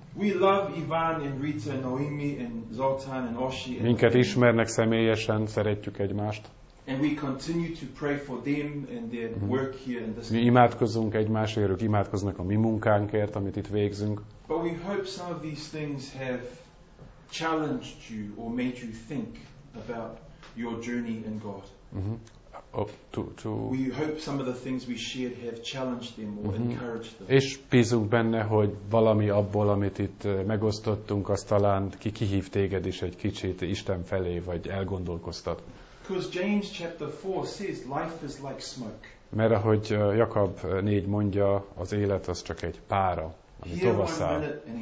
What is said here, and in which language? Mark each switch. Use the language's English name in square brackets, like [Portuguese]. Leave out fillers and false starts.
[English] We love Ivan and Rita and Noemi and Zoltán and Oshi. [Hungarian] Minket ismernek személyesen, szeretjük egymást. [English] And we continue to pray for them and their work here in this. [Hungarian] Mi imádkozunk egymásért, ők imádkoznak a mi munkánkért, amit itt végzünk. [English] But we hope some of these things have challenged you or made you think about your journey in God. We hope some of the things we shared have challenged them or encouraged them. [Hungarian] És bízunk benne, hogy valami abból, amit itt megosztottunk, az talán kihív téged is egy kicsit Isten felé, vagy elgondolkoztat. [English] Because James chapter 4 says life is like smoke. [Hungarian] Mert ahogy Jakab 4 mondja, az élet az csak egy pára, ami tovasszáll.